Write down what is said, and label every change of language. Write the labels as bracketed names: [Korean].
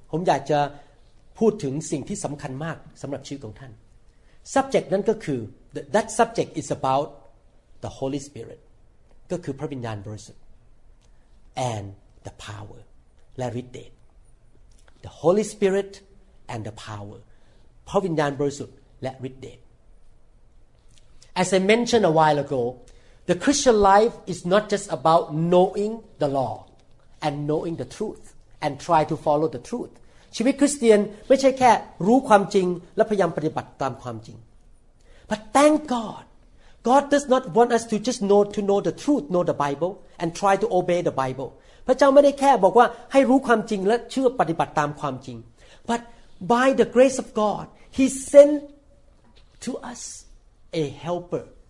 [Thai] ผมอยากจะพูดถึงสิ่งที่สำคัญมากสำหรับชีวิตของท่าน Subject นั้นก็คือ [English] that subject is about the Holy Spirit. [Thai] ก็คือพระวิญญาณบริสุทธิ์ [English] and the power [Thai] และฤทธิ์เดช [English] The Holy Spirit and the power. [Thai] พระวิญญาณบริสุทธิ์และฤทธิ์เดช [English] As I mentioned a while ago. The Christian life is not just about knowing the law and knowing the truth and try to follow the truth. [Thai] ชีวิตคริสเตียนไม่ใช่แค่รู้ความจริงและพยายามปฏิบัติตามความจริง [English] But thank God, God does not want us to just know the truth, know the Bible and try to obey the Bible. [Thai] พระเจ้าไม่ได้แค่บอกว่าให้รู้ความจริงและเชื่อปฏิบัติตามความจริง [English] But by the grace of God, He sent to us a helper.